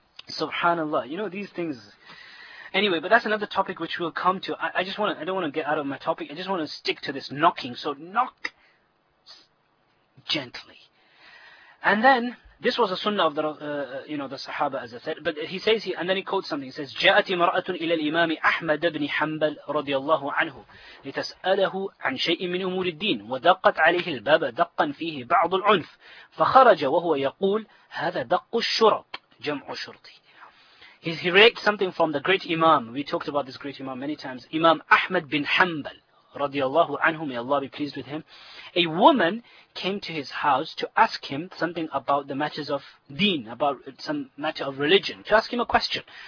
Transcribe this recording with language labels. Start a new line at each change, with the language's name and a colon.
English: Subhanallah, you know, these things. Anyway, but that's another topic which we'll come to. I don't want to get out of my topic. I just want to stick to this knocking. So knock gently. And then, this was a sunnah of the Sahaba, as I said. But he says, and then he quotes something. He says,
Arabic: جَاءَتِ مَرَأَةٌ إِلَى الْإِمَامِ أَحْمَدَ بْنِ حَنْبَلْ رَضِيَ اللَّهُ عَنْهُ لِتَسْأَلَهُ عَنْ شَيْءٍ مِنْ أُمُورِ الدِّينِ وَدَقَّتْ عَلَيْهِ الْبَابَ دَقًّا فِيهِ بَعْضُ الْعُنْفِ فَخَرَجَ وَهُوَ يَقُولُ هَذَا دَقُّ الشُّرَطِ جَمْعُ شُرْطِ.
English: He raked something from the great Imam. We talked about this great Imam many times. Imam Ahmad bin Hanbal, radiallahu anhu, may Allah be pleased with him. A woman came to his house to ask him something about the matters of deen, about some matter of religion, to ask him a question.